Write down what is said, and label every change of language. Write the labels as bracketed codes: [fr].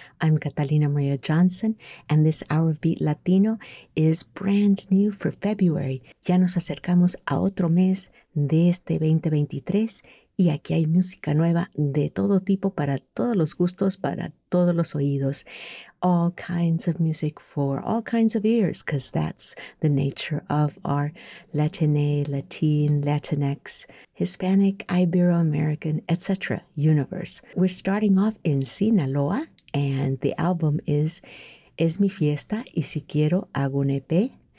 [en] I'm Catalina Maria Johnson, and this hour of Beat Latino is brand new for February. [es] Ya nos acercamos a otro mes de este 2023, y aquí hay música nueva de todo tipo, para todos los gustos, para todos los oídos. [en] All kinds of music for all kinds of ears, because that's the nature of our Latine, Latin, Latinx, Hispanic, Ibero-American, etc. universe. We're starting off in Sinaloa, and the album is Es Mi Fiesta y Si Quiero Hago Un EP.